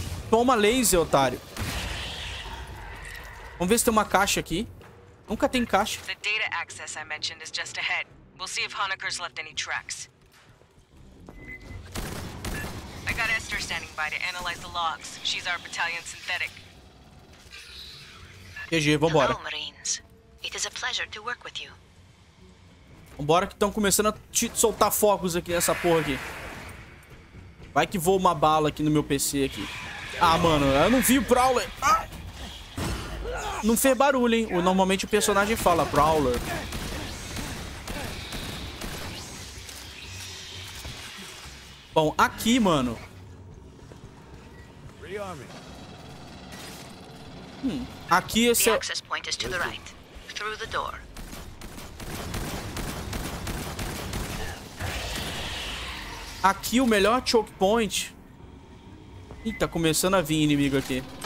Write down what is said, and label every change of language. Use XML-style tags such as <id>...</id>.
<pt>Toma laser, otário. Vamos ver se tem uma caixa aqui. Nunca tem caixa.</pt> <en>O data access I mentioned is just ahead. We'll see if Honecker's left any tracks. I got Esther standing by to analyze the logs. She's our battalion synthetic. GG,</en> <pt>vambora.</pt> <en>Hello, Marines. It is a pleasure to work with you.</en> <pt>Vambora que estão começando a te soltar fogos aqui nessa porra aqui. Vai que voa uma bala aqui no meu PC aqui. Ah, mano, eu não vi o Prowler. Não fez barulho, hein? Normalmente o personagem fala Prowler. Bom, aqui, mano. Aqui esse é...</pt> <en>Access point is to the right, through the door.</en> <pt>Aqui o melhor choke point. Ih, tá começando a vir inimigo aqui.</pt>